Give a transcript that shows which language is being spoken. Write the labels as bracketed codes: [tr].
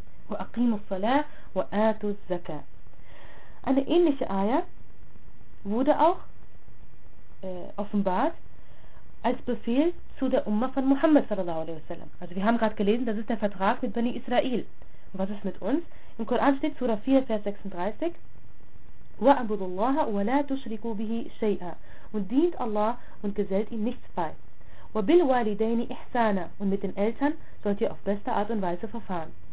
[ar] وَأَقِيمُ الصَّلَاةَ وَآتُ الزَّكَاةَ. [de] Eine ähnliche Aya wurde auch offenbart als Befehl zu der Umma von Muhammad sallallahu alaihi wasallam. Also wir haben gerade gelesen, das ist der Vertrag mit Bani Israel. Und was ist mit uns? Im Koran steht Surah 4, Vers 36: [ar] وَأَبُدُ اللَّهَ وَلَا تُشْرِكُوا بِهِ شَيْئًا. [de] Und dient Allah und gesellt ihm nichts bei. [ar] وَبِالْوَالِدَيْنِ إِحْسَانًا. [de] Und mit den Eltern sollt ihr auf beste Art und Weise verfahren.